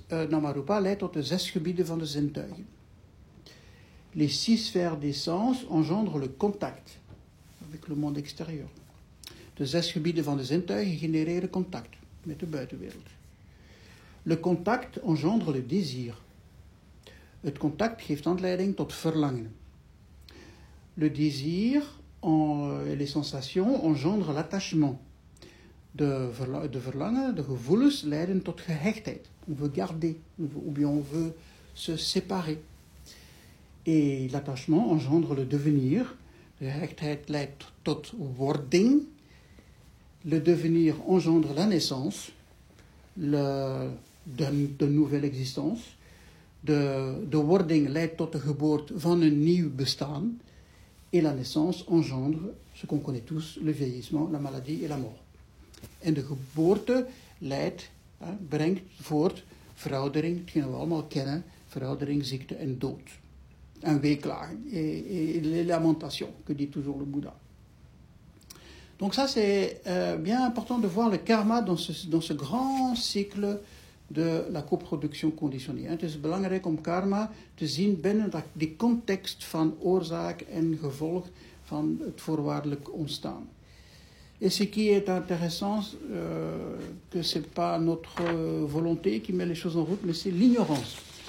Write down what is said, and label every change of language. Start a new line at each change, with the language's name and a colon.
Dutch: Namarupa leidt tot de 6 gebieden van de zintuigen.
French: Les 6 sphères d'essence engendrent le contact avec le monde extérieur.
Dutch: De 6 gebieden van de zintuigen genereren contact met de buitenwereld.
French: Le contact engendre le désir.
Dutch: Het contact geeft aanleiding tot verlangen.
French: Le désir et les sensations engendrent l'attachement.
Dutch: De verlangen, de gevoelens, leiden tot gehechtheid.
French: On veut garder, ou bien on veut se séparer. Et l'attachement engendre le devenir.
Dutch: De gehechtheid leidt tot wording.
French: Le devenir engendre la naissance, de nouvelle existence.
Dutch: De wording leidt tot de geboorte van een nieuw bestaan.
French: Et la naissance engendre ce qu'on connaît tous, le vieillissement, la maladie et la mort.
Dutch: En de geboorte leidt, brengt voort veroudering, hetgeen we allemaal kennen, veroudering, ziekte en dood. En weeklagen,
French: et lamentation, que dit toujours le Bouddha. Donc ça, c'est bien important de voir le karma dans ce grand cycle de la coproduction conditionnée.
Dutch: Het is belangrijk om karma te zien binnen de context van oorzaak en gevolg van het voorwaardelijk ontstaan.
French: Et ce qui est intéressant, que ce n'est pas notre volonté qui met les choses en route, mais c'est l'ignorance.